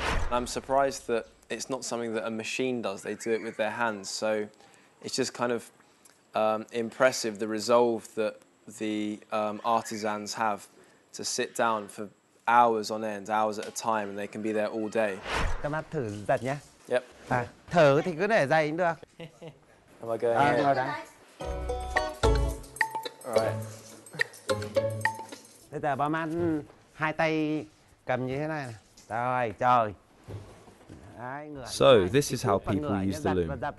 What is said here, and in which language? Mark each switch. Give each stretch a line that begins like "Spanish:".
English: I'm surprised that it's not something that a machine does. They do it with their hands. So it's just kind of impressive, the resolve that the artisans have to sit down for hours on end, hours at a time, and they can be there all day.
Vietnamese: Các bác thử giật nhé.
English: Yep.
Vietnamese: Thở thì cứ để dày cũng được.
English: Am I going here? Right.
Vietnamese: Bây giờ ba mát hai tay cầm như thế này. Rồi, trời.
English: So, this is how people use the loom.